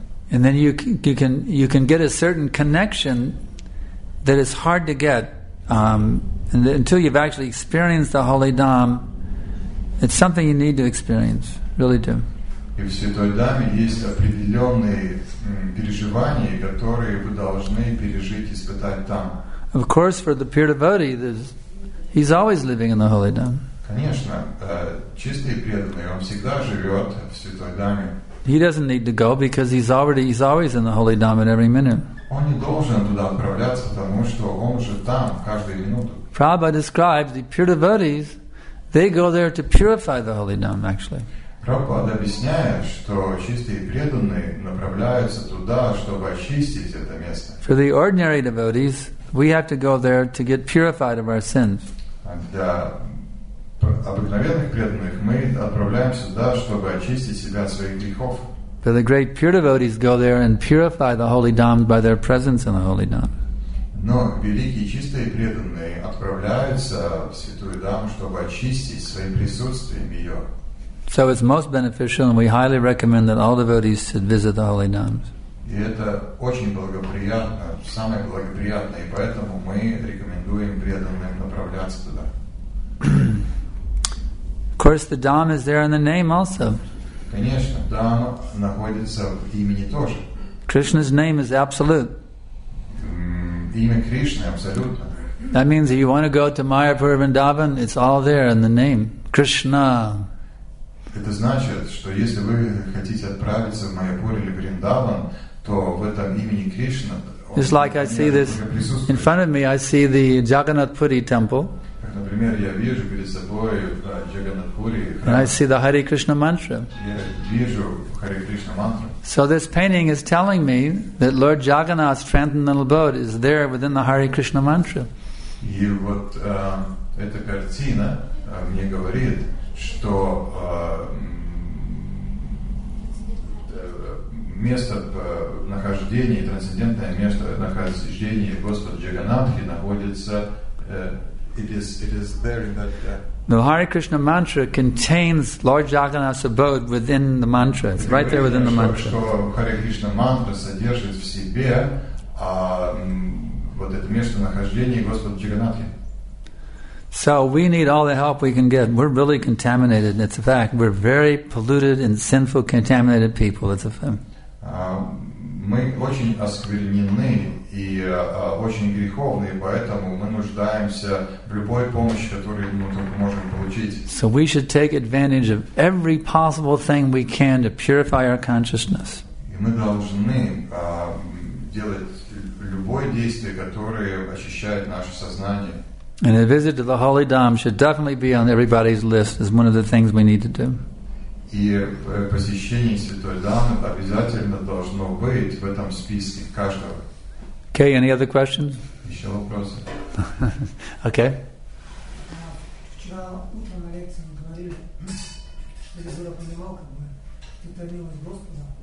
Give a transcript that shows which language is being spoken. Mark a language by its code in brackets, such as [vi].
[en] And then you can get a certain connection that is hard to get. And until you've actually experienced the Holy Dham, it's something you need to experience, really do. [ru] И в Святой Даме есть определенные переживания, которые вы должны пережить, испытать там. [en] Of course, for the pure devotee, he's always living in the Holy Dham. [ru] Конечно, чистый преданный, он всегда живет в Святой Даме. [en] He doesn't need to go because he's always in the Holy Dham at every minute. [ru] Он не должен туда отправляться, потому что он уже там каждую минуту. [en] Prabhupada describes the pure devotees, they go there to purify the Holy Dham, actually. [ru] Прабхупада объясняет, что чистые преданные направляются туда, чтобы очистить это место. [en] For the ordinary devotees, we have to go there to get purified of our sins. [ru] Для обыкновенных преданных мы отправляемся туда, чтобы очистить себя от своих грехов. [en] For the great pure devotees go there and purify the holy dhams by their presence in the holy dham. [ru] Но великие чистые преданные отправляются в святую даму, чтобы очистить своим присутствием ее. [en] So it's most beneficial, and we highly recommend that all devotees should visit the holy dhams. [ru] И это очень благоприятно, самое благоприятное, и поэтому мы рекомендуем преданным направляться туда. [en] Of course, the dham is there in the name also. [ru] Конечно, дам находится в имени тоже. [en] Krishna's name is absolute. [ru] Имя Кришны абсолютно. [en] That means if you want to go to Mayapur Vrindavan, it's all there in the name, Krishna. [ru] Это значит, что если вы хотите отправиться в Майяпур или Вриндаван, то в этом имени Кришна. [en] It's like I see this in front of me. I see the Jagannath Puri temple. [ru] Например, я вижу перед собой Jagannath Puri. [en] And I see the Hare Krishna mantra. [ru] Я вижу Hare Krishna mantra. [en] So this painting is telling me that Lord Jagannath's transcendental abode is there within the Hare Krishna mantra. [ru] И вот эта картина мне говорит, что место нахождения, трансцендентное место нахождения Господа Джаганатхи находится. [en] The Hare Krishna mantra contains Lord Jagannath's abode within the mantra. It's right there within the mantra. [ru] Что Hare Krishna mantra содержит в себе вот это место нахождения Господа Джаганатхи. [en] So we need all the help we can get. We're really contaminated. It's a fact. We're very polluted and sinful, contaminated people. It's a fact. [ru] Мы очень осквернены и очень греховные, поэтому мы нуждаемся в любой помощи, которую мы только можем получить. [en] So we should take advantage of every possible thing we can to purify our consciousness. [ru] И мы должны делать любое действие, которое очищает наше сознание. [en] And a visit to the Holy Dham should definitely be on everybody's list as one of the things we need to do. [ru] И посещение Святой Дамы обязательно должно быть в этом списке каждого. [en] Okay, any other questions? [ru] Еще вопросы? [en] Okay. [ru] Вчера утром на лекции мы говорили, я забыла, понимал, как бы, что это милость Господа.